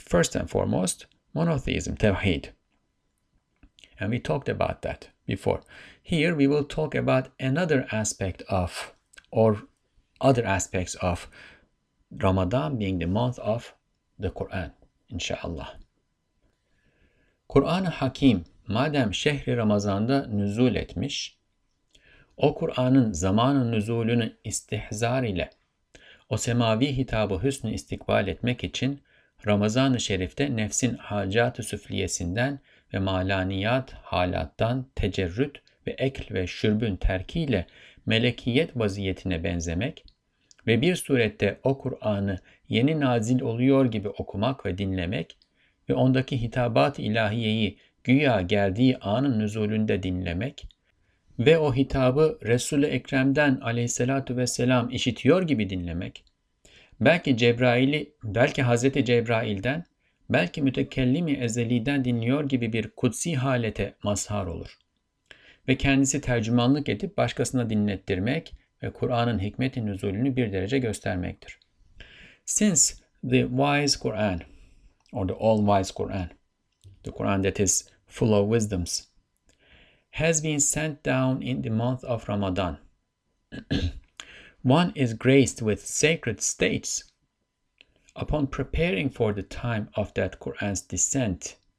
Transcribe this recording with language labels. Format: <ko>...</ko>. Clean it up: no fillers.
<en>First and foremost, monotheism, tawhid. And we talked about that before. Here we will talk about another aspect of, or other aspects of Ramadan being the month of the Qur'an, inshallah.</en> <tr>Kur'an-ı Hakim, madem Şehri Ramazan'da nüzul etmiş, o Kur'an'ın zamanı nüzulünü istihzar ile o semavi hitabı hüsnü istikbal etmek için Ramazan-ı Şerif'te nefsin hacat-ı süfliyesinden ve malaniyat halattan tecerrüt ve ekl ve şürbün terkiyle melekiyet vaziyetine benzemek ve bir surette o Kur'an'ı yeni nazil oluyor gibi okumak ve dinlemek ve ondaki hitabat-ı ilahiyeyi güya geldiği anın nüzulünde dinlemek ve o hitabı Resul-i Ekrem'den aleyhissalatu vesselam işitiyor gibi dinlemek, belki Hazreti Cebrail'den, belki mütekellim-i ezeliden dinliyor gibi bir kutsi halete mazhar olur. Ve kendisi tercümanlık edip başkasına dinlettirmek ve Kur'an'ın hikmet-i nüzulünü bir derece göstermektir.</tr> <en>Since the wise Qur'an, or the all-wise Qur'an, the Qur'an that is full of wisdoms, has been sent down in the month of Ramadan, one is graced with sacred states upon preparing for the time of that Qur'an's descent.</en>